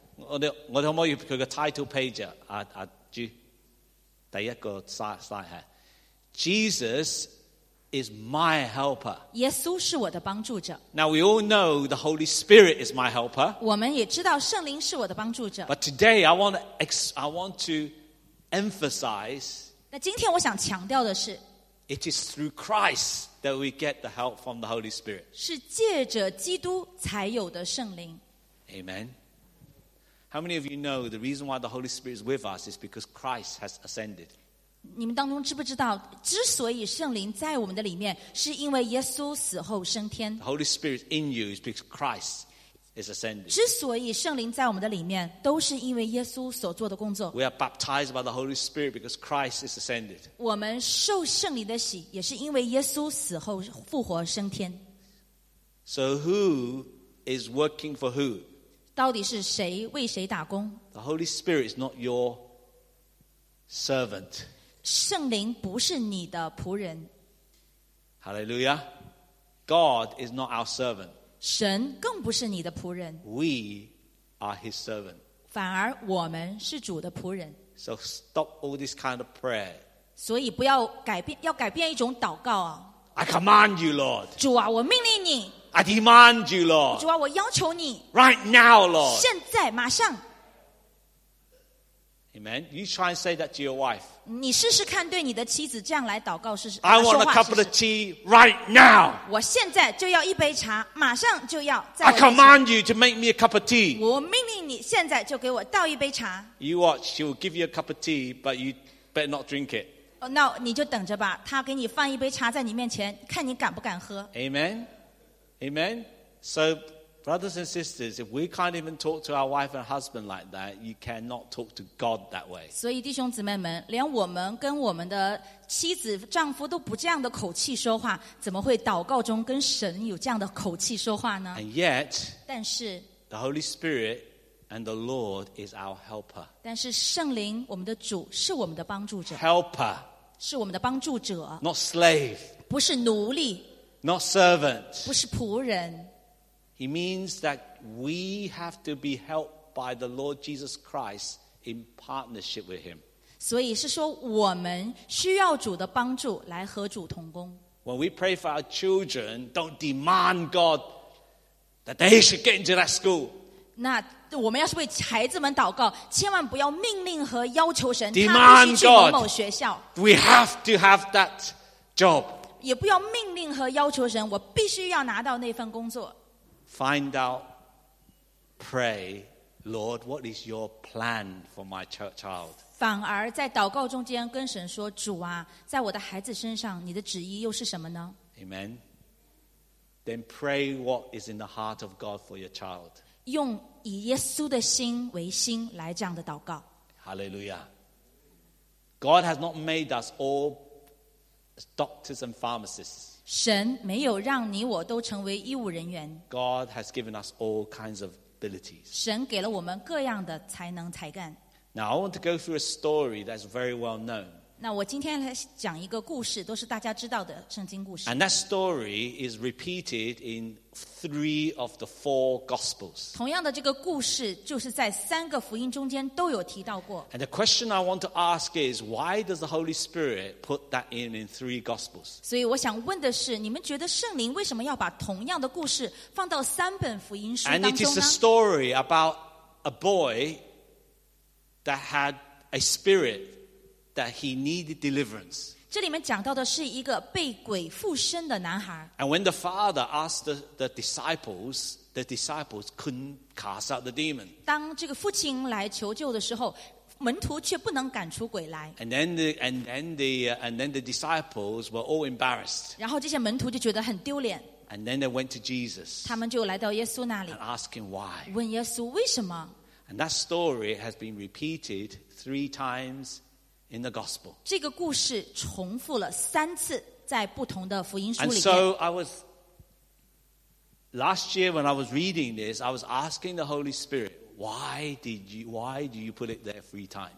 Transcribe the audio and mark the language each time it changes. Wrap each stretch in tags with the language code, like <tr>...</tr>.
<zh>我的有一个</zh> <en>title page，</en> <zh>第一个</zh> <en>slide， Jesus is my helper.</en> <zh>耶稣是我的帮助者。</zh> <en>Now we all know the Holy Spirit is my helper.</en> <zh>我们也知道圣灵是我的帮助者。</zh> <en>But today I want to emphasize.</en> <zh>那今天我想强调的是，</zh> <en>it is through Christ that we get the help from the Holy Spirit.</en> <zh>是借着基督才有的圣灵。Amen.</zh> <en>How many of you know the reason why the Holy Spirit is with us is because Christ has ascended?</en> <zh>你们当中知不知道， 之所以圣灵在我们的里面， 是因为耶稣死后升天。</zh> <en>The Holy Spirit in you is because Christ is ascended.</en> <zh>之所以圣灵在我们的里面， 都是因为耶稣所做的工作。</zh> <en>We are baptized by the Holy Spirit because Christ is ascended.</en> <zh>我们受圣灵的洗， 也是因为耶稣死后复活升天。</zh> <en>So who is working for who?</en> <zh>到底是谁为谁打工？</zh> <en>The Holy Spirit is not your servant.</en> <zh>圣灵不是你的仆人。</zh> <en>Hallelujah. God is not our servant.</en> <zh>神更不是你的仆人。</zh> <en>We are his servant.</en> <zh>反而我们是主的仆人。</zh> <en>So stop all this kind of prayer.</en> <zh>所以不要改变，要改变一种祷告啊。</zh> <en>I command you, Lord.</en> <zh>主啊， 我命令你。</zh> <en>I demand you, Lord.</en> <zh>主啊， 我要求你。</zh> <en>Right now, Lord.</en> <zh>现在， 马上。</zh> <en>Amen. You try and say that to your wife.</en> <zh>你试试看对你的妻子这样来祷告，试试。</zh> <en>I want a cup of tea right now.</en> <zh>我现在就要一杯茶，马上就要。</zh> <en>I command you to make me a cup of tea.</en> <zh>我命令你现在就给我倒一杯茶。</zh> <en>You watch, she will give you a cup of tea, but you better not drink it.</en> <zh>No, 你就等着吧，她给你放一杯茶在你面前，看你敢不敢喝。</zh> <en>Amen. Amen. So, brothers and sisters, if we can't even talk to our wife and husband like that, you cannot talk to God that way.</en> <zh>所以弟兄姊妹们， 连我们跟我们的妻子丈夫都不这样的口气说话， 怎么会祷告中跟神有这样的口气说话呢？</zh> <en>And yet,</en> <zh>但是，</zh> <en>the Holy Spirit and the Lord is our helper.</en> <zh>但是圣灵， 我们的主， 是我们的帮助者。</zh> <en>Helper.</en> <zh>是我们的帮助者。</zh> <en>Not slave.</en> <zh>不是奴隶。</zh> <en>Not servant.</en> <zh>不是仆人。</zh> <en>He means that we have to be helped by the Lord Jesus Christ in partnership with him.</en> <zh>所以是说我们需要主的帮助来和主同工。</zh> <en>When we pray for our children, don't demand God that they should get into that school.</en> <zh>那我们要是为孩子们祷告，千万不要命令和要求神，</zh> <en>Demand、</en> <zh>他必须去某某学校。</zh> <en>God, we have to have that job.</en> <zh>也不要命令和要求神，我必须要拿到那份工作。</zh> <en>Find out, pray, Lord, what is your plan for my child?</en> <zh>反而在祷告中间跟神说，主啊，在我的孩子身上，你的旨意又是什么呢？</zh> <en>Amen. Then pray what is in the heart of God for your child.</en> <zh>用以耶稣的心为心来这样的祷告。</zh> <en>Hallelujah. God has not made us all doctors and pharmacists.</en> <zh>神没有让你我都成为医务人员。</zh> <en>God has given us all kinds of abilities.</en> <zh>神给了我们各样的才能才干。</zh> <en>Now I want to go through a story that's very well known.</en> <zh>那我今天来讲一个故事，都是大家知道的圣经故事。</zh> <en>And that story is repeated in three of the four Gospels.</en> <zh>同样的这个故事就是在三个福音中间都有提到过。</zh> <en>And the question I want to ask is, why does the Holy Spirit put that in three Gospels?</en> <zh>所以我想问的是，你们觉得圣灵为什么要把同样的故事放到三本福音书当中呢？</zh> <en>And it is a story about a boy that had a spirit that he needed deliverance.</en> <zh>这里面讲到的是一个被鬼附身的男孩。</zh> <en>And when the father asked the disciples couldn't cast out the demon.</en> <zh>当这个父亲来求救的时候，门徒却不能赶出鬼来。</zh> <en>And then the disciples were all embarrassed.</en> <zh>然后这些门徒就觉得很丢脸。</zh> <en>And then they went to Jesus.</en> <zh>他们就来到耶稣那里。</zh> <en>And asked him why.</en> <zh>问耶稣为什么。</zh> <en>And that story has been repeated three times. In the gospel.</en> <zh>这个故事重复了三次在不同的福音书里</zh> <en>面。And so I was, last year when I was reading this, I was asking the Holy Spirit, why do you put it there three times?</en>